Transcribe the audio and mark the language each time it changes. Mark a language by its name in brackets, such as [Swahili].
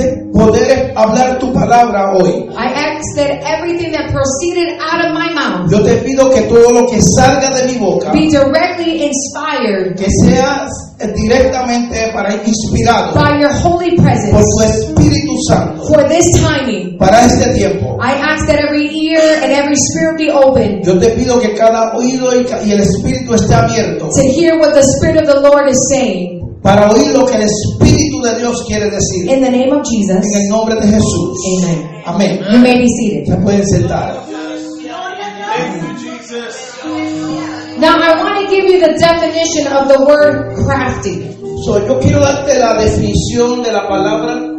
[Spanish] De poder hablar tu palabra hoy. [English] I ask that everything that proceeded out of my mouth. [Spanish] Yo te pido que todo lo que salga de mi boca [English] be directly inspired. [Spanish] Que sea directamente para inspirado. [English] By your holy presence. [Spanish] Por tu Espíritu Santo. [English] For this timing. [Spanish] Para este tiempo. [English] I ask that every ear and every spirit be open. [Spanish] Yo te pido que cada oído y el espíritu esté abierto. [English] To hear what the Spirit of the Lord is saying. [Spanish] Para oír lo que el Espíritu de Dios quiere decir. [English] In the name of Jesus. [Spanish] En el nombre de Jesús. [English] Amen. Amen. You may be seated. [Spanish] Se pueden sentar. [English] Now I want to give you the definition of the word crafty. [Spanish] So yo quiero darte la definición de la palabra